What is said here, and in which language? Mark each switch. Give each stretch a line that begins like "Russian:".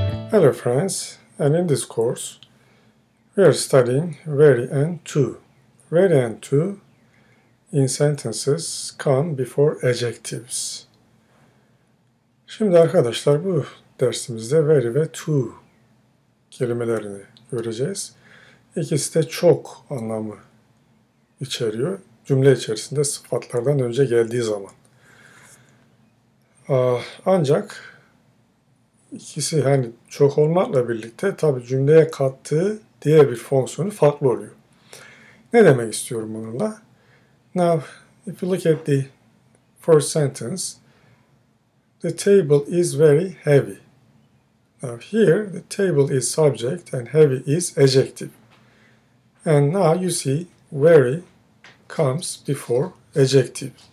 English: Hello friends, and in this course we are studying very and to. Very and to in sentences come before adjectives.
Turkish: Şimdi arkadaşlar bu dersimizde very ve to kelimelerini göreceğiz. İkisi de çok anlamı içeriyor. Cümle içerisinde sıfatlardan önce geldiği zaman. Ancak İkisi hani çok olmakla birlikte tabii cümleye kattığı diğer bir fonksiyonu farklı oluyor. Ne demek istiyorum bununla?
English: Now, if you look at the first sentence, the table is very heavy. Now here, the table is subject and heavy is adjective. And now you see very comes before adjective.